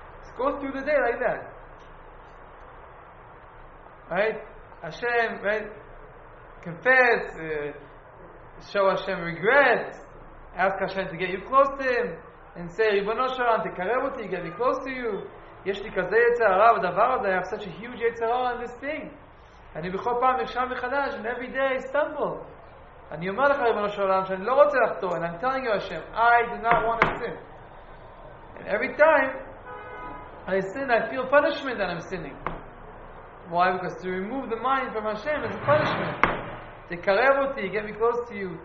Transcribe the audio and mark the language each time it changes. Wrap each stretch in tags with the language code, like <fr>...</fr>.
<en>Just go through the day like that. Right? Hashem, right? Confess. Show Hashem regret. Ask Hashem to get you close to him. And say, Ribono Shalom,</en> <he>תקרב אותי,</he> <en>get me close to you.</en> <he>יש לי כזה יצר הרע, הדבר הזה,</he> <en>I have such a huge יצר הרע on this thing.</en> <he>אני בכל פעם נרשם מחדש,</he> <en>and every day I stumble.</en> <he>אני אומר לך, Ribono Shalom, שאני לא רוצה לחתור,</he> <en>and I'm telling you, Hashem, I do not want to sin. And every time I sin, I feel punishment that I'm sinning. Why? Because to remove the mind from Hashem is a punishment.</en> <he>תקרב אותי,</he> <en>get me close to you.</en>